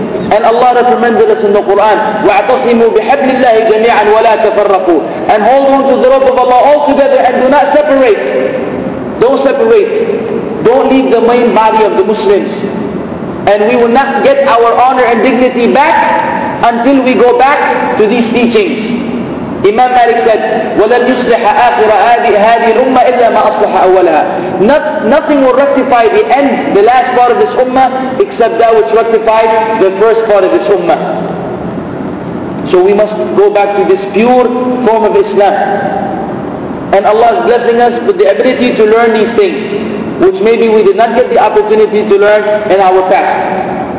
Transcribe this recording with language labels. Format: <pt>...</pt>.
<en>And Allah reprimanded us in the Quran.</en> <ar>وَاعْتَصِمُوا بِحَبْلِ اللَّهِ جَمِيعًا وَلَا تَفَرَّقُوا.</ar> <en>And hold on to the rope of Allah all together and do not separate. Don't separate. Don't leave the main body of the Muslims. And we will not get our honor and dignity back until we go back to these teachings. Imam Malik said,</en> <ar>وَلَنْ يُصْلِحَ آخِرَ هَذِي الْأُمَّةِ إِلَّا مَا أَصْلَحَ أَوَّلَهَا.</ar> <en>Nothing will rectify the end, the last part of this ummah, except that which rectified the first part of this ummah. So we must go back to this pure form of Islam. And Allah is blessing us with the ability to learn these things, which maybe we did not get the opportunity to learn in our past.</en>